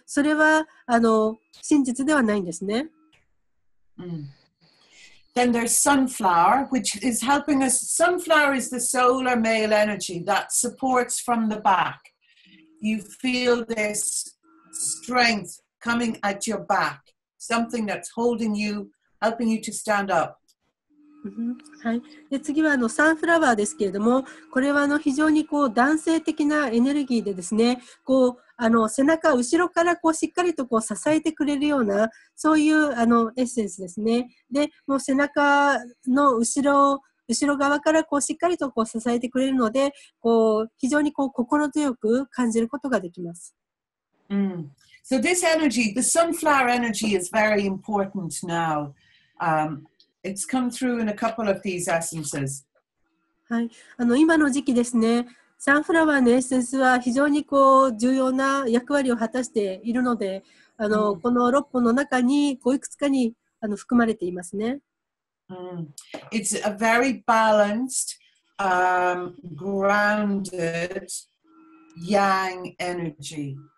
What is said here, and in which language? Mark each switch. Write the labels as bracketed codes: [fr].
[ja] それは真実ではないんですね。 [en] Mm. Then there's sunflower, which is helping us. Sunflower is the solar male energy that supports from the back. You feel this strength coming at your back. Something that's holding you, helping you to stand up. [ja] はい、で次はサンフラワーですけれども、これは非常にこう男性的なエネルギーでですね、こう背中、後ろからこうしっかりとこう支えてくれるような、そういうエッセンスですね。で、もう背中の後ろ側からこうしっかりとこう支えてくれるので、こう非常にこう心強く感じることができます。うん。 [en] So this energy, the sunflower energy is very important now. It's come through in a couple of these essences. [ja] はい。今の時期ですね。サンフラワーのエッセンスは非常にこう重要な役割を果たしているので、この6本の中にこういくつかに含まれていますね。 [en] It's a very balanced, grounded yang energy.